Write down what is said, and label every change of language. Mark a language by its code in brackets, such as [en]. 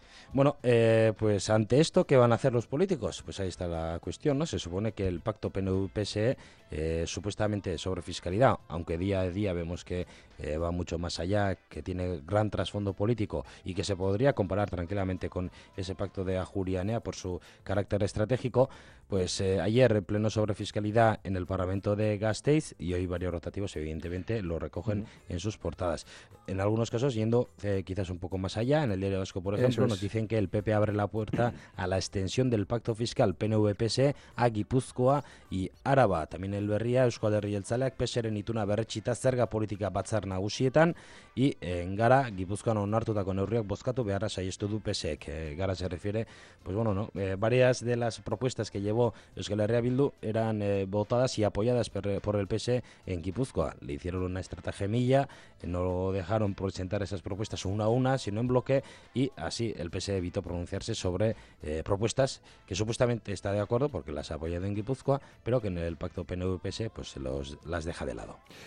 [es] Bueno, pues ante esto, ¿qué van a hacer los políticos? Pues ahí está la cuestión, ¿no? Se supone que el pacto PNV-PSE, supuestamente sobre fiscalidad, aunque día a día vemos que va mucho más allá, que tiene gran trasfondo político y que se podría comparar tranquilamente con ese pacto de Ajuria-Enea por su carácter estratégico, pues ayer el pleno sobre fiscalidad en el Parlamento de Gasteiz, y hoy varios rotativos evidentemente lo recogen en sus portadas. En algunos casos yendo quizás un poco más allá, en el Diario Vasco, por ejemplo, nos dicen que el PP abre la puerta a la extensión del pacto fiscal PNV-PSE a Gipuzkoa y Araba. También el Berria, [eu] Eusko Alderdi Jeltzaleak, PSEren ituna berretsita zerga politika batzar nagusietan, [es] y en Gara, [eu] Gipuzkoan onartutako neurriak bozkatu beharra saiestu du PSEek. [es] Gara se refiere, pues bueno, ¿no? Varias de las propuestas que llevó Euskal Herria Bildu eran votadas y apoyadas por el PSE en Gipuzkoa. Le hicieron una estratagemilla, no lo dejaron presentar esas propuestas una a una, sino en bloque, y así el PSE evitó pronunciarse sobre propuestas que supuestamente está de acuerdo porque las ha apoyado en Gipuzkoa, pero que en el pacto PNV-PSE pues las deja de lado.